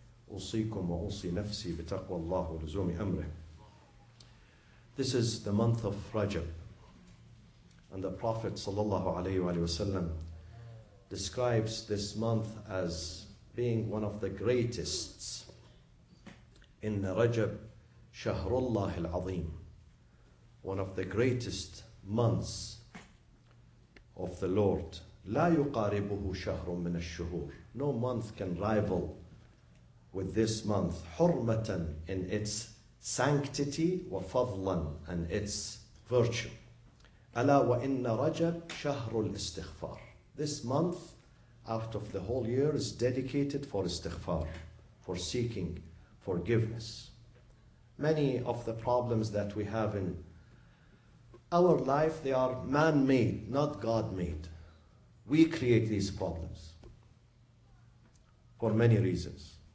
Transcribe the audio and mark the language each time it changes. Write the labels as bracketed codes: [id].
[ar] أوصيكم وأوصي نفسي بتقوى الله ولزوم أمره [en] This is the month of Rajab and the Prophet [ar] صلى الله عليه وآله وسلم [en] describes this month as being one of the greatest in Rajab Shahrullah al-Azim, one of the greatest months of the Lord. [ar] لا يقاربه شهر من الشهور. [en] No month can rival with this month حرمة in its sanctity وفضلا and its virtue. [ar] ألا وإن رجب شهر الاستغفار. [en] This month out of the whole year is dedicated for istighfar, for seeking forgiveness. Many of the problems that we have in our life, they are man-made, not God-made. We create these problems for many reasons.